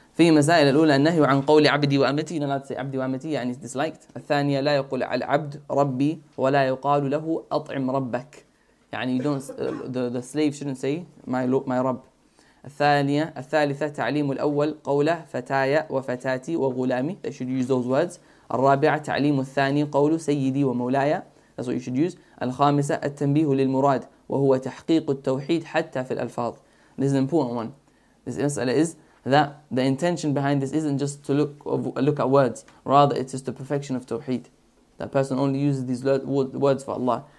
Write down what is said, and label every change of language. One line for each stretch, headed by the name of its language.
Arabic: في مسائل الأولى النهى عن قول عبدي وأمتي لا تسي عبدي وأمتي يعني disliked. الثانية لا يقول على عبد ربي ولا يقال له أطعم ربك.
English: يعني you don't the slave shouldn't say my رب.
Arabic: الثالثة تعليم الأول قوله فتايا وفتاتي وغلامي.
English: They should use those words.
Arabic: الرابعة تعليم الثاني قوله سيدي ومولاي.
English: That's what you should use.
Arabic: الخامسة التنبيه للمراد وهو تحقيق التوحيد حتى في الألفاظ.
English: This is an important one. This مسألة is that the intention behind this isn't just to look at words. Rather, it is the perfection of tawheed. That person only uses these words for Allah.